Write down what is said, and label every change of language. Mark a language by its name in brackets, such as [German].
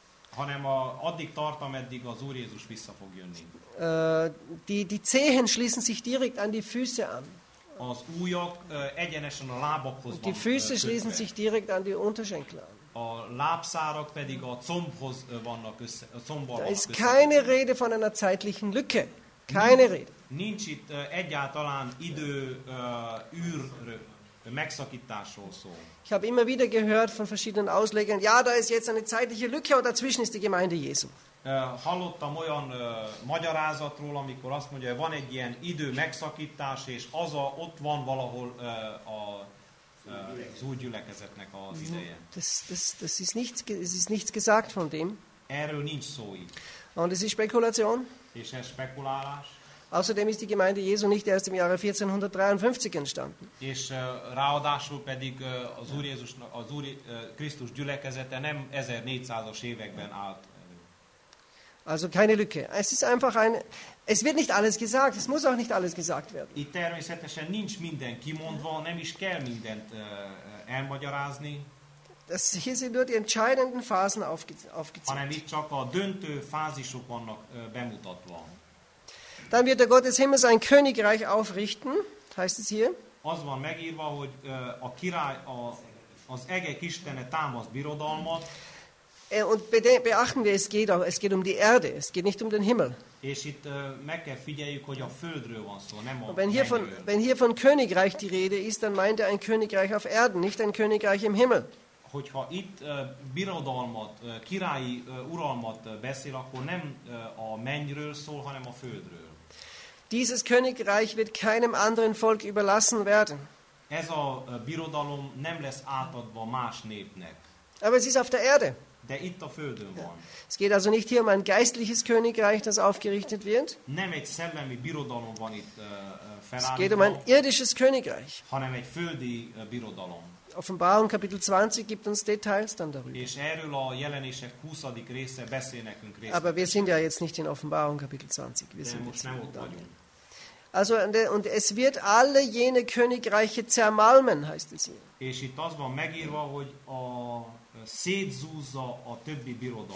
[Hungarian] Hanem a addig tart, ameddig az Úr Jézus vissza fog jönni. [German] Die Zehen schließen sich direkt an die Füße an. [Hungarian] Az újak egyenesen a lábakhoz [German] die Füße [Hungarian] kötve. [German] Schließen sich direkt an die Unterschenkel an. [Hungarian] A lábszárak pedig a combhoz vannak össze, a combbal. [German] Es ist keine Rede von einer zeitlichen Lücke. Keine Rede. [Hungarian] Nincs itt egyáltalán idő űr megszakításról szó. [German] Ich habe immer wieder gehört von verschiedenen Auslegern, ja, da ist jetzt eine zeitliche Lücke und dazwischen ist die Gemeinde Jesu. [Hungarian] Hallottam olyan magyarázatról, amikor azt mondja, hogy van egy ilyen idő megszakítás, és az a, ott van valahol a az új gyülekezetnek az ideje. [German] Das ist nichts gesagt von dem. [Hungarian] Erről nincs szó itt. [German] Und es ist Spekulation. [Hungarian] És ez spekulálás. [German] Außerdem ist die Gemeinde Jesu nicht erst im Jahre 1453 entstanden. [Hungarian] És ráadásul pedig az Úr Jézus, az Úr Krisztus gyülekezete nem 1400-as években állt. [German] Also keine Lücke. Es ist einfach ein, es wird nicht alles gesagt, es muss auch nicht alles gesagt werden. [Hungarian] Itt természetesen nincs minden kimondva, nem is kell mindent elmagyarázni. [German] Das hier sind nur die entscheidenden Phasen aufgezeigt. [Hungarian] Hanem itt csak a döntő fázisok vannak bemutatva. [German] Dann wird der Gott des Himmels ein Königreich aufrichten, heißt es hier. [Hungarian] Az van megírva, hogy a király, az egek Istene támaszt birodalmat. [German] Und beachten wir, es geht um die Erde, es geht nicht um den Himmel. [Hungarian] És itt meg kell figyeljük, hogy a földről van szó, nem a mennyről. [German] Wenn hier von Königreich die Rede ist, dann meint ein Königreich auf Erden, nicht ein Königreich im Himmel. [Hungarian] Hogyha itt birodalmat, királyi uralmat beszél, akkor nem a mennyről szól, hanem a földről. [German] Dieses Königreich wird keinem anderen Volk überlassen werden. [Hungarian] Ez a birodalom nem lesz átadva más népnek. [German] Aber es ist auf der Erde. [Hungarian] De itt a földön van. [German] Es geht also nicht hier um ein geistliches Königreich, das aufgerichtet wird. [Hungarian] Nem egy szellemi birodalom van itt felállítva. [German] Es geht um ein irdisches Königreich. [Hungarian] Hanem egy földi birodalom. [German] Offenbarung Kapitel 20 gibt uns Details dann darüber. [Hungarian] És erről a jelenések 20. része beszél nekünk részt. [German] Aber wir sind ja jetzt nicht in Offenbarung Kapitel 20. Wir sind [Hungarian] most nem ott vagyunk. [German] Also, und es wird alle jene Königreiche zermalmen, heißt es hier. [Hungarian] És itt az van megírva, hogy a szétzúzza a többi birodalmat.